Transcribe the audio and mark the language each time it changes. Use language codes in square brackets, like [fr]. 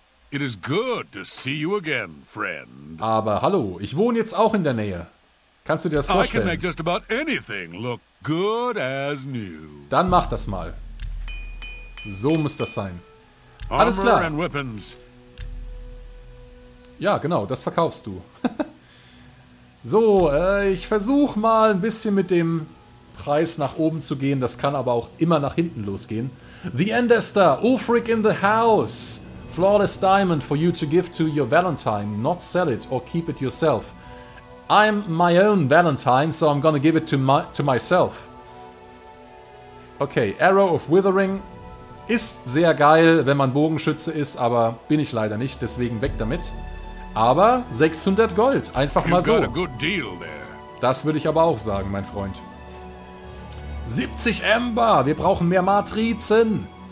[en] It is good to see you again, friend. [de] Aber hallo, ich wohne jetzt auch in der Nähe. Kannst du dir das vorstellen? [en] I can make just about anything look good as new. [de] Dann mach das mal. So muss das sein. Alles klar. [en] Armor and weapons. [de] Ja, genau, das verkaufst du. So, ich versuche mal ein bisschen mit dem Preis nach oben zu gehen. Das kann aber auch immer nach hinten losgehen. [en] The Endester, Ulfric in the house. Flawless diamond for you to give to your Valentine. Not sell it or keep it yourself. I'm my own Valentine, so I'm gonna give it to myself. [de] Okay, Arrow of Withering ist sehr geil, wenn man Bogenschütze ist, aber bin ich leider nicht, deswegen weg damit. Aber 600 Gold, einfach mal so. [en] You've got a good deal there. [de] Das würde ich aber auch sagen, mein Freund. 70 Ember, wir brauchen mehr Matrizen.